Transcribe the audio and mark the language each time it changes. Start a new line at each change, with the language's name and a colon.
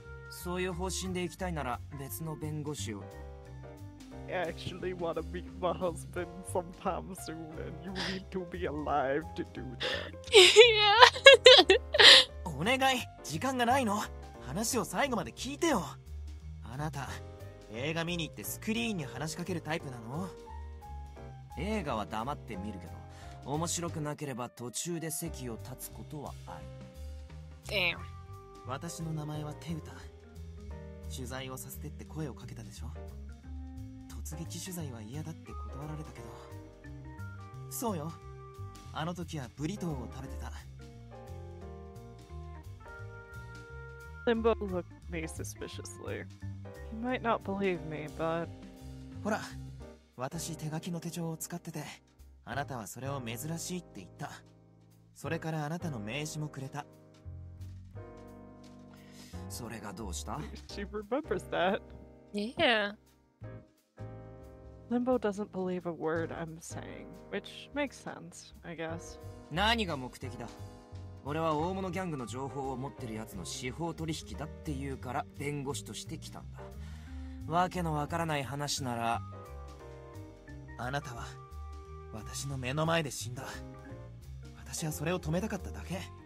Japanese: そういう方針で行きたいなら別の弁護士を。
English: I actually want to meet my husband sometime soon, and you need to be alive to do that. Yeah.
Japanese: お願い、時間がないの。話を最後まで聞いてよ。あなた、映画見に行ってスクリーンに話しかけるタイプなの？映画は黙って見るけど、面白くなければ途中で席を立つことはある。
English: Damn.
Japanese: 私の名前はテウタ。取材をさせてって声をかけたでしょ。突撃取材は嫌だって断られたけど、そうよ、あの時はブリトーを食べてた。
English: Limbo looked me suspiciously. He might not believe me, but
Japanese: ほら、私手書きの手帳を使ってて、あなたはそれを珍しいって言った。それからあなたの名刺もくれた。それがどうした？
English: She remembers that. Yeah. Limbo doesn't believe a word I'm saying, which makes sense, I guess.
Japanese: 何が目的だ？俺は大物ギャングの情報を持ってる奴の司法取引だって言うから弁護士として来たんだ。わけのわからない話なら、あなたは私の目の前で死んだ。私はそれを止めたかっただけ。